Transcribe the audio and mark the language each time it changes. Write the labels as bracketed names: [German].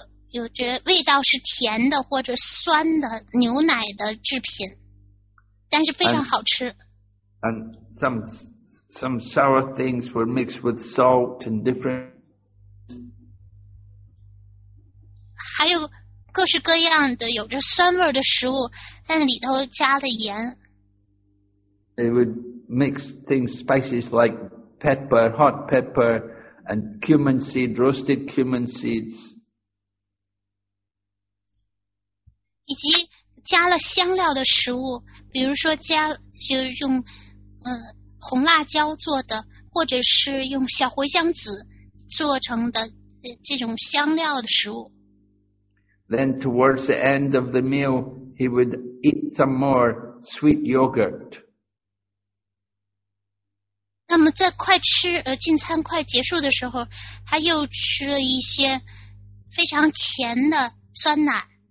[Chinese] 有这味道是甜的或者酸的牛奶的制品，但是非常好吃。 [English] And some sour things were mixed with salt and different. [Chinese] 还有各式各样的有着酸味的食物，但里头加了盐。 [English] They would mix things, spices like pepper, hot pepper. And cumin seed, roasted cumin seeds. [Chinese] 以及加了香料的食物，比如说就是用红辣椒做的，或者是用小茴香籽做成的这种香料的食物。 [English] Then towards the end of the meal, he would eat some more sweet yogurt. [Chinese] 那么在快吃进餐快结束的时候，他又吃了一些非常甜的酸奶。